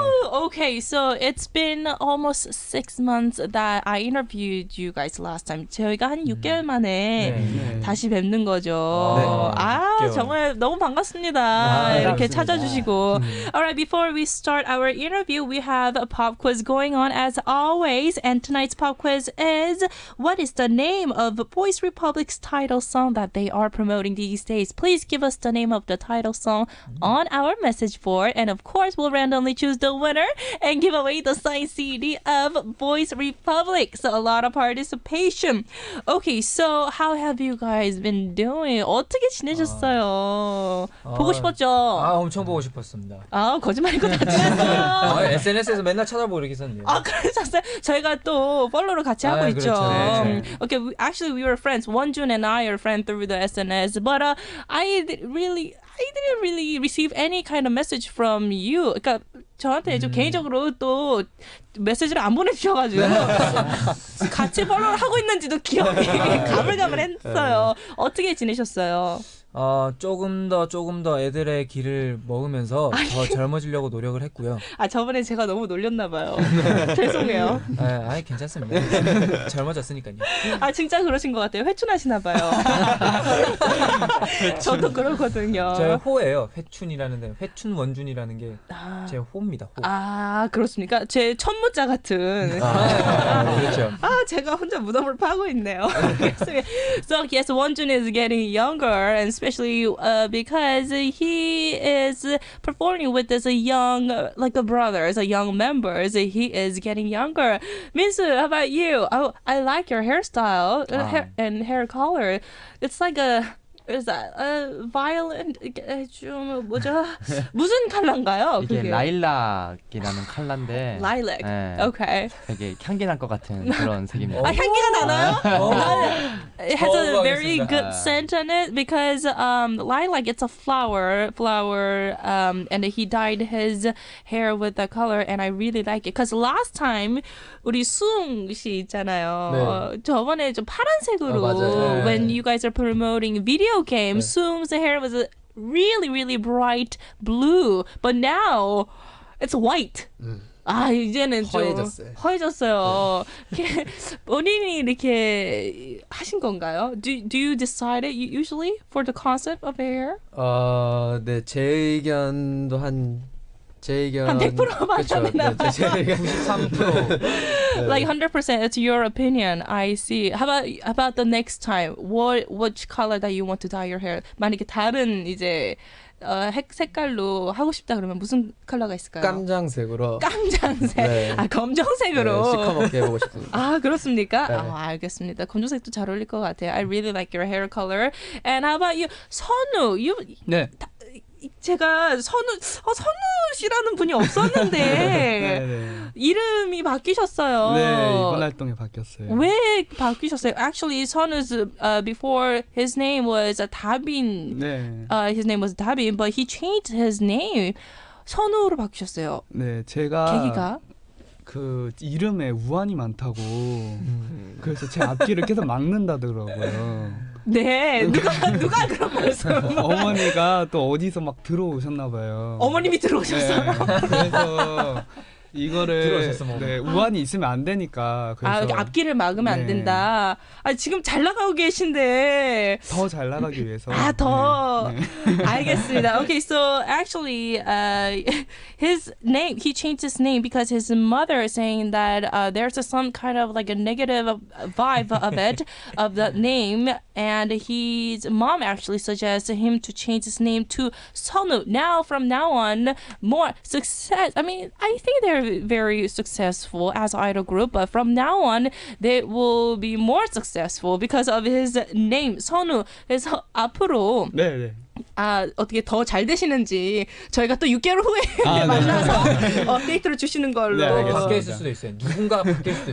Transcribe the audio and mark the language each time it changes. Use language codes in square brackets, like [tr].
[en] Okay, so it's been almost 6 months that I interviewed you guys last time. [ko] 저희가 한 6개월 만에 네, 다시 뵙는 거죠. 네. 아, 6개월. 정말 너무 반갑습니다. 아, 이렇게 반갑습니다. 찾아주시고. [en] Alright, before we start our interview, we have a pop quiz going on as always. And tonight's pop quiz is, what is the name of Boys Republic's title song that they are promoting these days? Please give us the name of the title song on our message board. And of course, we'll randomly choose the winner and give away the signed CD of Boys Republic. So a lot of participation. Okay, so how have you guys been doing? [ko] 어떻게 지내셨어요? 보고 싶었죠? 아, 엄청 보고 싶었습니다. 아, 거짓말이고 다 지냈어요. 아, SNS에서 맨날 찾아보고 계셨네요. 아, 그러셨어요? 저희가 또 팔로우를 같이 하고 아, 있죠. 그렇죠. 네, [en] 네. Okay, actually we were friends. Wonjun and I are friends through the SNS. But I didn't really receive any kind of message from you. [ko] 그러니까 저한테 좀 개인적으로 또 메시지를 안 보내주셔가지고 같이 팔로우를 하고 있는지도 기억이 가물가물했어요. 어떻게 지내셨어요? 어, 조금 더 애들의 길을 먹으면서 더 젊어지려고 노력을 했고요. 아, 저번에 제가 너무 놀렸나 봐요. 죄송해요. 아니, 괜찮습니다. 젊어졌으니까요. 아, 진짜 그러신 것 같아요. 회춘하시나 봐요. 저도 그렇거든요. 제 호예요. 회춘이라는 데 회춘 원준이라는 게 제 호입니다. 호. 아, 그렇습니까? 제 천문자 같은. 아, 그렇죠. 아, 제가 혼자 무덤을 파고 있네요. [en] So yes, 원준 is getting younger. And especially because he is performing with this young, like a brother, a young member. So he is getting younger. Minsu, how about you? Oh, I like your hairstyle and hair color. It's like a, what is that? A violin? [ko] 좀 뭐죠? 무슨 컬러인가요? 이게 라일락이라는 컬러인데. 라일락. 네. Okay. 되게 향기 날 것 같은 그런 색입니다. 아, 향기가 나나요? [en] It has a very good scent on it because lilac, it's a flower, and he dyed his hair with that color, and I really like it. Because last time, [ko] 우리 수웅 씨 있잖아요. 네. 저번에 좀 파란색으로 아, 네. [en] when you guys are promoting video. Game, 네. Soom's hair was a really, really bright blue, but now it's white. [ko] 아 이제는 허해졌어요. 네. 본인이 이렇게 하신 건가요? [en] Do you decide it usually for the concept of hair? [ko] 네, 제 의견도 한 제 의견 한 100% 맞았나? 네, 제 의견 13%. [en] Like 100%, it's your opinion. I see. How about the next time? Which color that you want to dye your hair? [ko] 만약에 다른 이제 색깔로 하고 싶다 그러면 무슨 컬러가 있을까요? 깜장색으로. 깜장색. 네. 아, 검정색으로. 네, 시커멓게 해보고 싶습니다. 아, 그렇습니까? 네. 아, 알겠습니다. 검정색도 잘 어울릴 것 같아요. [en] I really like your hair color. And how about you, 선우? You. [ko] 네. 제가 선우 씨라는 분이 없었는데 이름이 바뀌셨어요. 네, 이번 활동에 바뀌었어요. 왜 바뀌셨어요? [en] Actually, 선우's before his name was 다빈. [ko] 네. [en] His name was 다빈, but he changed his name. [ko] 선우로 바뀌셨어요. 네, 제가 계기가 그 이름에 우환이 많다고 그래서 제 앞길을 계속 막는다더라고요. 네. 누가 그런 말씀? 어머니가 또 어디서 막 들어오셨나 봐요. 어머님이 들어오셨어요. 네, 그래서 이거를 네, 우환이 있으면 안 되니까. 그래서 아, 앞길을 막으면 네. 안 된다. 아, 지금 잘 나가고 계신데. 더 잘 나가기 위해서. 아, 더. 네. 알겠습니다. [en] Okay, so actually his name, he changed his name because his mother is saying that there's some kind of like a negative vibe of it, of the name. And his mom actually suggested him to change his name to Sonu. Now, from now on, more success. I mean, I think they're very successful as idol group, but from now on, they will be more successful because of his name, Sonu. [ko] 그래서 앞으로 네, 아, 어떻게 더 잘 되시는지 저희가 또 6개월 후에 아, 만나서 네. 업데이트를 주시는 걸로. 네, 바뀌었을 수도 있어요. 누군가 바뀌었을 수도 있어요.